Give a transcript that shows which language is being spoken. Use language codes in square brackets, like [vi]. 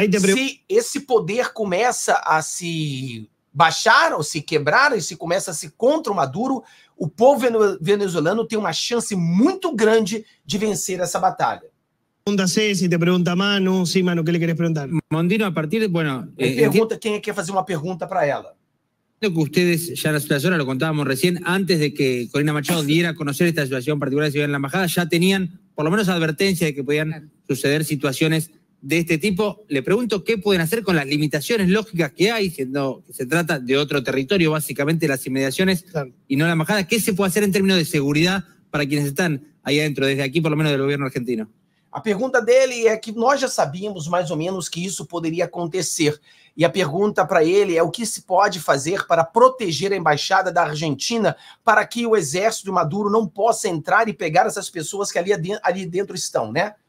[pt] Se esse poder começa a se baixar ou se quebrar, e se começa a se contra o Maduro, o povo venezuelano tem uma chance muito grande de vencer essa batalha. Pergunta Ceci, te pergunta Manu. Sim, Manu, o que lhe queres perguntar? [es] Mondino, a partir de... Bueno, [pt] pergunta quem quer fazer uma pergunta para ela. [es] Que ustedes, ya la situación, lo contábamos recién, antes de que Corina Machado diera a conocer esta situación particular de en la embajada, ya tenían por lo menos advertencia de que podían suceder situaciones de este tipo. Le pregunto qué pueden hacer con las limitaciones lógicas que hay, siendo que se trata de otro territorio, básicamente las inmediaciones, y no la embajada. ¿Qué se puede hacer en términos de seguridad para quienes están ahí adentro, desde aquí por lo menos del gobierno argentino? [pt] A pergunta dele é que nós já sabíamos mais ou menos que isso poderia acontecer. E a pergunta para ele é o que se pode fazer para proteger a embaixada da Argentina para que o exército de Maduro não possa entrar e pegar essas pessoas que ali dentro estão, né?